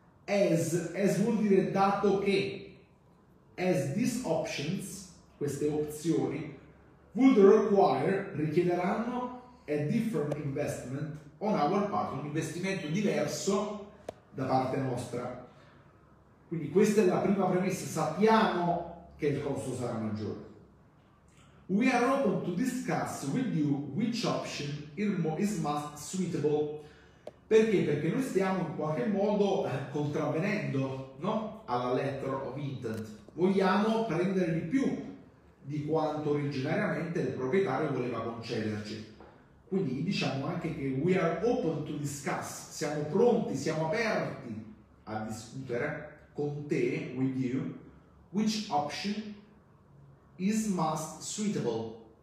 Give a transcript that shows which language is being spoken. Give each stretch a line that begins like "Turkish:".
Italian: As vuol dire dato che,
English: as these options,
Italian: queste opzioni,
English: would require,
Italian: richiederanno,
English: a different investment on our part,
Italian: un investimento diverso da parte nostra. Quindi questa è la prima premessa, sappiamo che il costo sarà maggiore.
English: We are open to discuss with you which option is most suitable.
Italian: Perché? Perché noi stiamo in qualche modo contravvenendo, no? Alla
English: letter of intent.
Italian: Vogliamo prendere di più di quanto originariamente il proprietario voleva concederci. Quindi diciamo anche che
English: we are open to discuss,
Italian: siamo pronti, siamo aperti a discutere con te,
English: with you, which option is most suitable.